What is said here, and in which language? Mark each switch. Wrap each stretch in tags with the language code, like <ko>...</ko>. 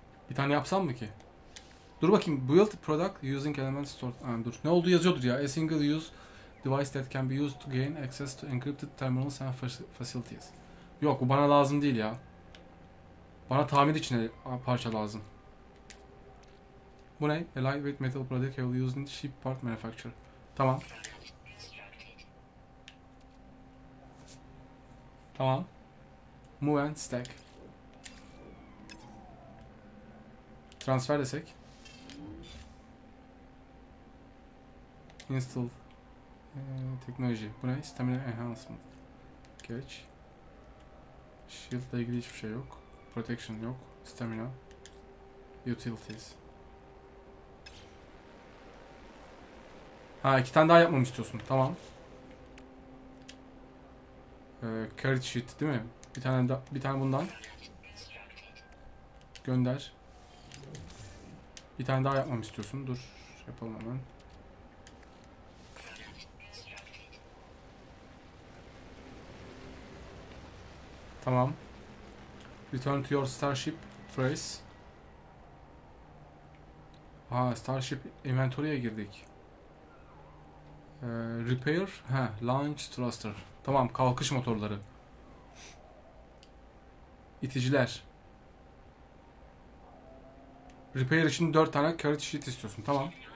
<tr>Bir tane yapsam mı ki? Dur bakayım.</tr> <en>Build product using element stored.</en> <tr>Ha, dur. Ne oldu yazıyordur ya.</tr> <en>A single use device that can be used to gain access to encrypted terminals and facilities.</en> <tr>Yok, bu bana lazım değil ya. Bana tamir için parça lazım. Bu ne?</tr> <en>A lightweight metal product can be used in ship part manufacture.</en> <tr>Tamam.</tr> <en>Tamam. Move and stack.</en> <tr>Transfer desek. Install teknoloji. Bu ne?</tr> <en>Stamina enhancement.</en> <tr>Geç. Shield ile ilgili hiçbir şey yok. Protection yok. Stamina. Utilities. Ha, iki tane daha yapmamı istiyorsun. Tamam. Carriage shield değil mi? Bir tane daha, bir tane bundan. Gönder. Bir tane daha yapmamı istiyorsun. Dur, yapalım hemen. Tamam.</tr> <en>Return to your starship phrase.</en> <tr>Ha, starship inventory'ye girdik. Repair, ha,</tr> <en>launch thruster.</en> <tr>Tamam, kalkış motorları. İticiler. Repair için 4 tane carriage sheet istiyorsun. Tamam.</tr>